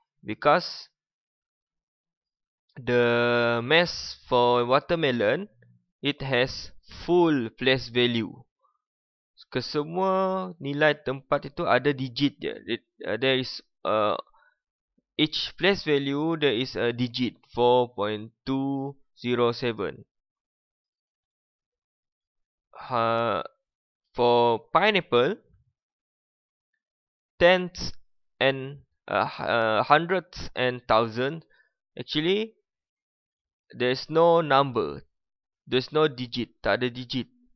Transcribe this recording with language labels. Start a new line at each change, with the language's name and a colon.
English: Because the mass for watermelon, it has full place value.
Malay: Kesemua nilai tempat itu ada digit je.
English: There is each place value, there is a digit, 4.207. For pineapple, tens and hundreds and thousands, actually, there's no number, there's no digit,
Malay: tak ada digit.